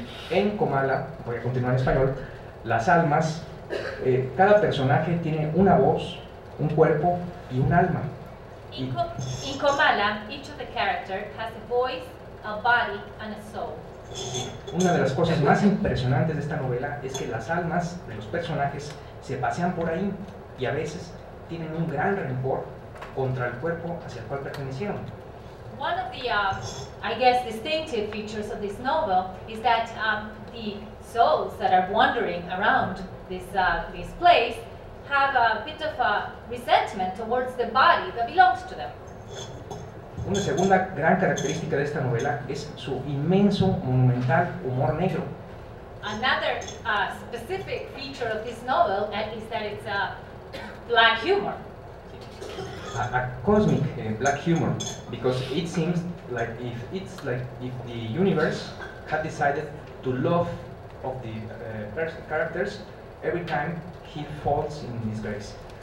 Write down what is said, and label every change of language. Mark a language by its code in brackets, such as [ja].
[es] En Comala, voy a continuar en español, las almas, cada personaje tiene una voz, un cuerpo y un alma. [en] In Comala, each of the characters has a voice, a body, and a soul. [es] Una de las cosas más impresionantes de esta novela es que las almas de los personajes se pasean por ahí y a veces tienen un gran rencor contra el cuerpo hacia el cual pertenecieron. [en] One of the, I guess, distinctive features of this novel is that the souls that are wandering around this this place have a bit of a resentment towards the body that belongs to them. [es] Una segunda gran característica de esta novela es su inmenso, monumental humor negro. [en] Another specific feature of this novel is that it's a black humor. A cosmic black humor, because it seems like if it's like if the universe had decided to love of the characters every time he falls in disgrace.